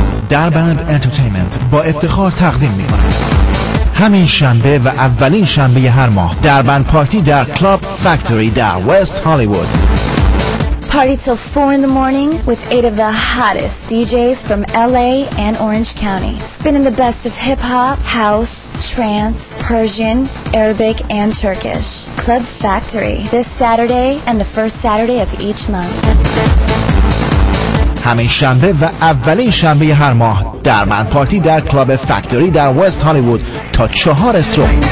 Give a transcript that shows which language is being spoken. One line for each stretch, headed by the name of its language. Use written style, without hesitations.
Persian: دربند انترتینمنت با افتخار تقدیم می کند. همین شنبه و اولین شنبه هر ماه دربند پارتی در کلاب فکتوری در وست هالیوود.
English: Party till 4 in the morning with 8 of the hottest DJs from LA and Orange County. Spinning the best of hip hop, house, trance, Persian, Arabic and Turkish. Club Factory this Saturday and the first Saturday of each month.
Persian: همین شنبه و اولین شنبه هر ماه در من پارتی در کلاب فکتوری در وست هالیوود تا 4 صبح.